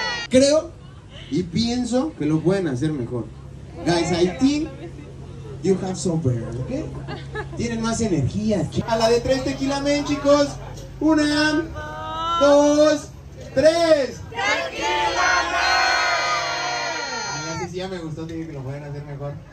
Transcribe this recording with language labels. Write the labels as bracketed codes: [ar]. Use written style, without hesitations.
[es] Creo y pienso que lo pueden hacer mejor. [en] Guys, I think you have some better, ¿ok? [es] Tienen más energía. A la de tres tequila men, chicos. Una, dos, tres. ¡Tequila men! Así sí, ya me gustó, dije que lo pueden hacer mejor.